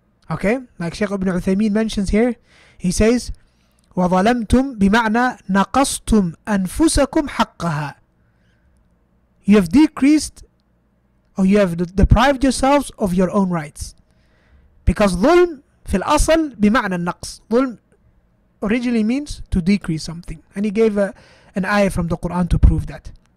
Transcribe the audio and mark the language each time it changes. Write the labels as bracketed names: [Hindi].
[English] Okay? Like Shaykh Ibn Uthaymeen mentions here, he says, [Arabic] وَظَلَمْتُمْ بِمَعْنَى نَقَصْتُمْ أَنفُسَكُمْ حَقَّهَا. [English] You have decreased or you have deprived yourselves of your own rights. Because [Arabic] ظُلْم فِي الْأَصَلْ بِمَعْنَى النَّقْص. [English] ظُلْم originally means to decrease something. And he gave an ayah from the Quran to prove that.